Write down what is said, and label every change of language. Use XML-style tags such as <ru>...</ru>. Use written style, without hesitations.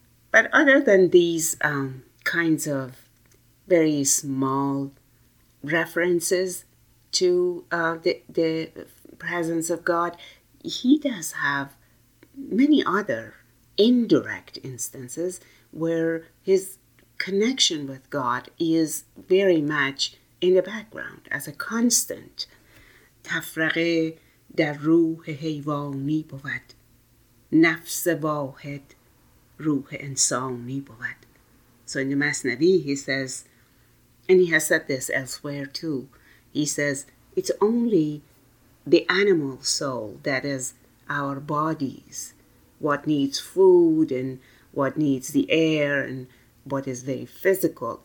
<en>But other than these kinds of very small references to the presence of God, he does have many other indirect instances where his connection with God is very much in the background as a constant.</en> <fa>تفرقه در روح حیوانی بود، نفس واحد روح انسانی بود.</fa> <en>So in the Masnavi, he says, and he has said this elsewhere too, he says, it's only the animal soul, that is our bodies, what needs food and what needs the air and what is very physical.</en>